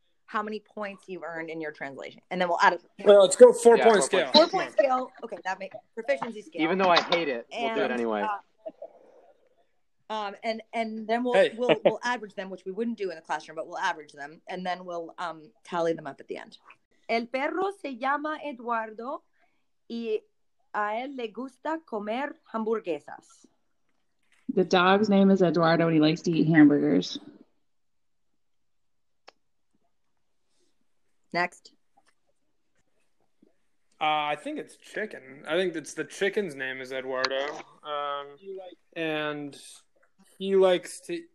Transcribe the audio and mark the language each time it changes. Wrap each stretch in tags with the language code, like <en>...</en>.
<en>How many points you've earned in your translation. And then we'll add it. Well, let's go four-point scale. Four-point scale. Okay, that makes proficiency scale. Even though I hate it, and, we'll do it anyway. And then we'll average them, which we wouldn't do in the classroom, but we'll average them. And then we'll tally them up at the end.</en> <es>El perro se llama Eduardo y a él le gusta comer hamburguesas.</es> <en>The dog's name is Eduardo and he likes to eat hamburgers. Next. I think it's chicken. I think it's the chicken's name is Eduardo. And he likes to...</en>